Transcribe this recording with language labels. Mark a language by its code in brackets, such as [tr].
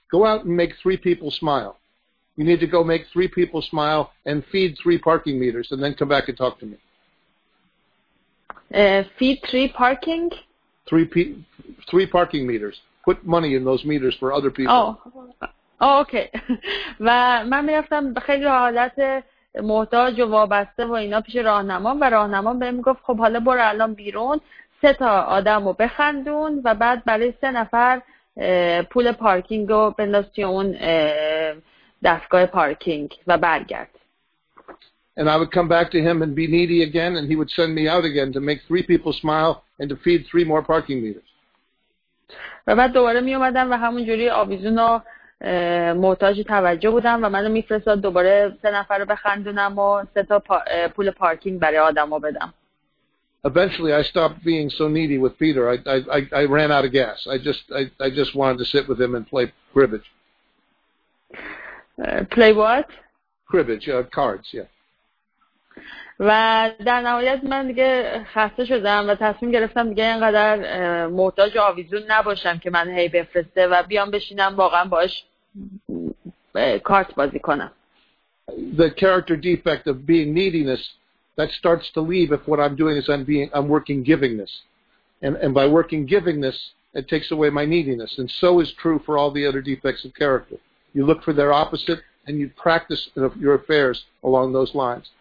[en] Go out and make 3 people smile. You need to go make 3 people smile and feed 3 parking meters, and then come back and talk to me. Feed 3 parking? Three parking meters. Put money in those meters for other people. Okay. [fa] و من میرفتم خیلی حالت محتاج و وابسته و اینا پیش راهنما، و راهنما بهم گفت خب حالا برو الان بیرون 3 تا آدم رو بخندون و بعد برای 3 نفر پول پارکینگ رو بنداز توی اون دستگاه پارکینگ و برگرد. [en] And I would come back to him and be needy again, and he would send me out again to make 3 people smile and to feed 3 more parking meters. [fa] و بعد دوباره میومدم و همون جوری آویزون رو محتاج توجه بودم و منو میفرستاد دوباره 3 نفر رو بخندونم و 3 تا پول پارکینگ برای آدم رو بدم. [en] Eventually I stopped being so needy with Peter. I ran out of gas. I just wanted to sit with him and play cribbage. Play what? Cribbage, cards, yeah. [fa] و در نهایت من دیگه خسته شدم و تصمیم گرفتم دیگه اینقدر محتاج آویزون نباشم که من هی بفرسته و بیام بشینم واقعا باش کارت بازی کنم. [en] The character defect of being neediness that starts to leave if what I'm doing is I'm working givingness. And by working givingness it takes away my neediness, and so is true for all the other defects of character. You look for their opposite and you practice your affairs along those lines.